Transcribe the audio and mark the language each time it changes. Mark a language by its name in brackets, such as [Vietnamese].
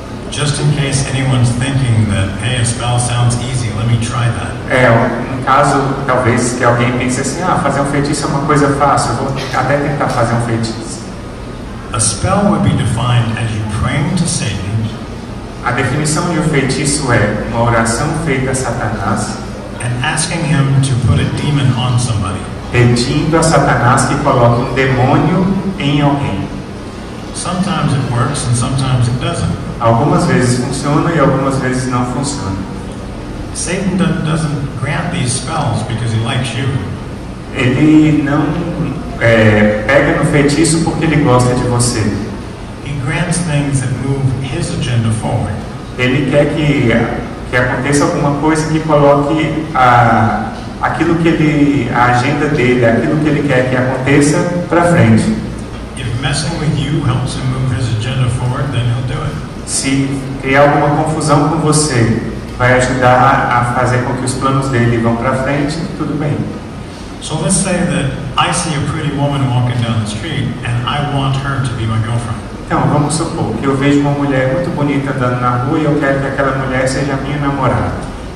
[English] Just in case anyone's thinking that, hey, a spell sounds easy, let me try that. [Portuguese] É, um caso talvez que alguém pense assim, ah, fazer um feitiço é uma coisa fácil, vou até tentar fazer um feitiço. [English] A spell would be defined as you praying to Satan. [Portuguese] A definição de um feitiço é uma oração feita a Satanás [English] and asking him to put a demon on somebody. [Portuguese] Pedindo a Satanás que coloque um demônio em alguém. [English] Sometimes it works and sometimes it doesn't. [Portuguese] Algumas vezes funciona e algumas vezes não funciona. [English] Satan doesn't grant these spells because he likes you. [Portuguese] Ele não pega no feitiço porque ele gosta de você. [English] Grants things that move his agenda forward. [Portuguese] Ele quer que aconteça alguma coisa que coloque aquilo que ele, a agenda dele, aquilo que ele quer que aconteça para frente. [English] If messing with you helps him move his agenda forward, then he'll do it. [Portuguese] Se criar alguma confusão com você vai ajudar a fazer com que os planos dele vão para frente, tudo bem. [English] So let's say that I see a pretty woman walking down the street and I want her to be my girlfriend. [Portuguese] Então, vamos supor que eu vejo uma mulher muito bonita andando na rua e eu quero que aquela mulher seja minha namorada.